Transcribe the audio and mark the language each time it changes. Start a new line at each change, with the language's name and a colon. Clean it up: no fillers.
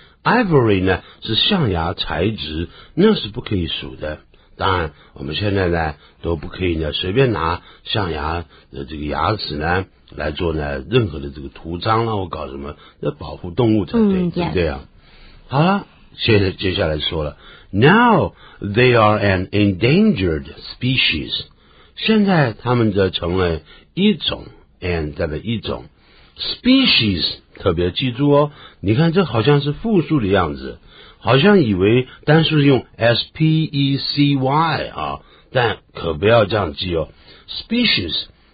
Chinese: Ivory 呢是象牙材质，那是不可以数的。当然我们现在呢都不可以呢随便拿象牙的这个牙齿呢来做呢任何的这个图章啊，我搞什么要保护动物才对、嗯、对不对啊？好了，接下来说了，
English: Now they are an endangered species.
Chinese: 现在他们则成了一种 and 代表一种 species， 特别记住哦，你看这好像是复数的样子，好像以为单数用 specy 啊，但可不要这样记哦， species